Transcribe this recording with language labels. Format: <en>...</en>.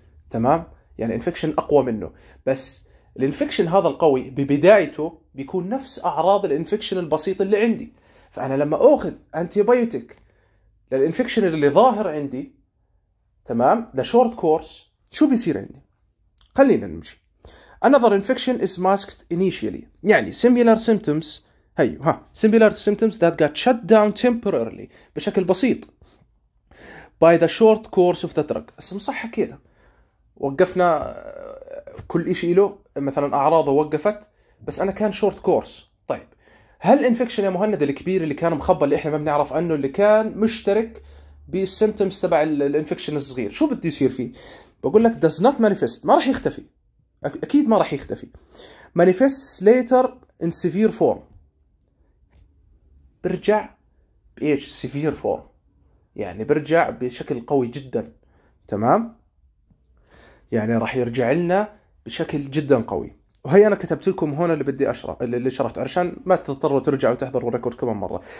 <ar>تمام؟ يعني انفكشن اقوى منه، بس الانفكشن هذا القوي ببدايته بيكون نفس اعراض الانفكشن البسيط اللي عندي. فانا لما اخذ انتي بايوتيك للانفكشن اللي ظاهر عندي، تمام؟ لشورت كورس، شو بيصير عندي؟ خلينا نمشي.</ar> <en>Another infection is masked initially. يعني similar symptoms. Similar symptoms that got shut down temporarily.</en> <ar>بشكل بسيط.</ar> <en>By the short course of the drug.</en> <ar>اسم صح حكينا. وقفنا كل إشي له. مثلا أعراضه وقفت. بس أنا كان short course. طيب. هل infection يا مهند الكبير اللي كان مخبى اللي إحنا ما بنعرف عنه، اللي كان مشترك بالsymptoms تبع الinfection الصغير، شو بدي يصير فيه؟ بقول لك</ar> <en>does not manifest.</en> <ar>ما رح يختفي. أكيد ما رح يختفي.</ar> <en>manifests later in severe form.</en> <ar>برجع بإيش؟</ar> <en>severe form.</en> <ar>يعني برجع بشكل قوي جدا. تمام؟ يعني رح يرجع لنا بشكل جدا قوي. وهي أنا كتبت لكم هنا اللي بدي أشرح، اللي شرحته عشان ما تضطروا ترجعوا وتحضروا الريكورد كمان مرة.</ar>